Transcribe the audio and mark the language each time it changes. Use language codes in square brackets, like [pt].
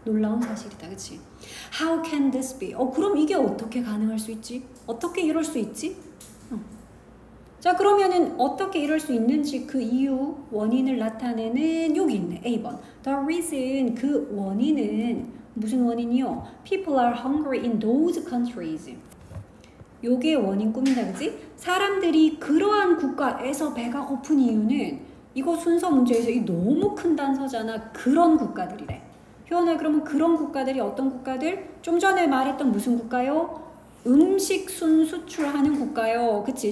[ko] 놀라운 사실이다, 그치? [en] How can this be? [ko] 그럼 이게 어떻게 가능할 수 있지? 어떻게 이럴 수 있지? 자, 그러면은 어떻게 이럴 수 있는지 그 이유, 원인을 나타내는 여기 있네. A번. [en] The reason, [ko] 그 원인은 무슨 원인이요? [en] People are hungry in those countries. [ko] 요게 원인 꿈이다, 그지? 사람들이 그러한 국가에서 배가 고픈 이유는 이거 순서 문제에서 이 너무 큰 단서잖아. 그런 국가들이래. 현아, 그러면 그런 국가들이 어떤 국가들? 좀 전에 말했던 무슨 국가요? 음식 순수출하는 국가요. 그치?